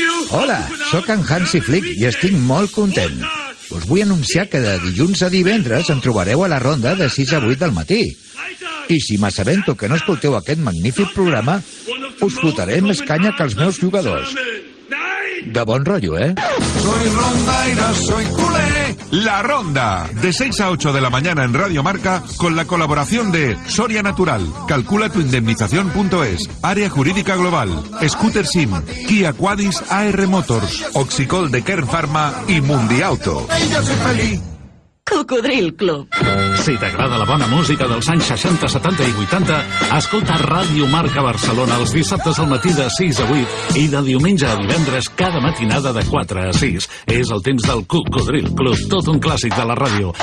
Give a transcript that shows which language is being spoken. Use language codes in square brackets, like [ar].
[ca] Hola, sóc en Hansi Flick i estic molt content. Us vull anunciar que de dilluns a divendres em trobareu a la ronda de 6 a 8 del matí. I si m'assabento que no escolteu aquest magnífic programa, us fotaré més canya que els meus jugadors. De bon rotllo, eh? [es] Soy rondaire, soy culé. La ronda, de 6 a 8 de la mañana en Radio Marca, con la colaboración de Soria Natural, calculatuindemnización.es, Área Jurídica Global, Scooter Sim, Kia Quadis AR Motors, Oxicol de Kern Pharma y Mundiauto. [ca] Cocodril Club. Si t'agrada la bona música dels anys 60, 70 i 80, escolta Ràdio Marca Barcelona els dissabtes al matí de 6 a 8 i de diumenge a divendres cada matinada de 4 a 6. És el temps del Cocodril Club, tot un clàssic de la ràdio.